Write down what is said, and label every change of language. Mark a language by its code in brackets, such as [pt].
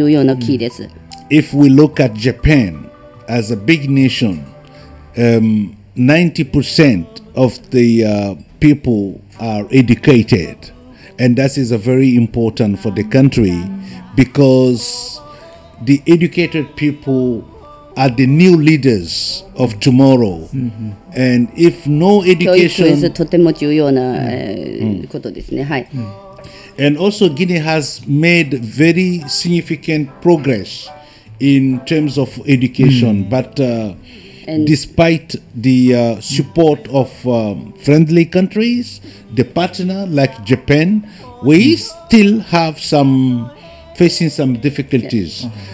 [en] If we look at Japan as a big nation, 90% of the people are educated, and that is a very important for the country, because the educated people are the new leaders of tomorrow. And if no education, [ja] 教育はとても重要なことですね。はい。 [en] And also Guinea has made very significant progress in terms of education, but and despite the support of friendly countries, the partner like Japan, we still have some facing some difficulties.